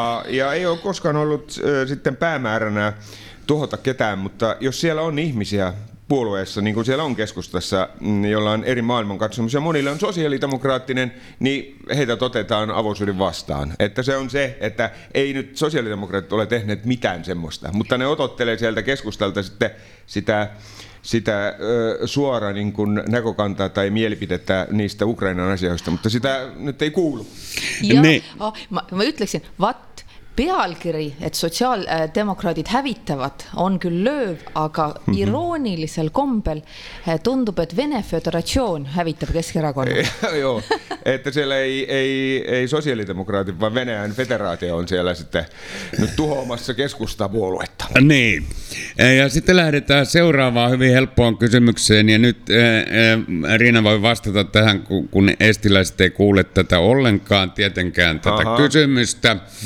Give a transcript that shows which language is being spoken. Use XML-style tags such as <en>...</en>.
<fi>Ja ei ole koskaan ollut sitten päämääränä tuhota ketään, mutta jos siellä on ihmisiä puolueessa, niin kuin siellä on keskustassa, jolla on eri maailman katsomus ja monilla on sosiaalidemokraattinen, niin heitä otetaan avoisuuden vastaan. Että se on se, että ei nyt sosiaalidemokraatit ole tehneet mitään semmoista, mutta ne odottelee sieltä keskustalta sitten sitä suoraa niin kuin näkökantaa tai mielipidettä niistä Ukrainan asioista, mutta sitä nyt ei kuulu.</fi> <et>Ma ütleksin, pealkiri, et sotsiaaldemokraadid hävitavad, on küll lööv, aga iroonilisel kombel tundub, et Vene Föderatsioon hävitab Keskerakonna.</et> <fi>Joo, et siellä ei sosiaalidemokraadid, vaan Venäjän Federaatio on siellä sitten tuhoamassa keskustapuoluetta. Niin, ja sitten lähdetään seuraavaan hyvin helppoon kysymykseen, ja nyt Riina voi vastata tähän, kun estiläiset ei kuule tätä ollenkaan, tietenkään tätä kysymystä.</fi>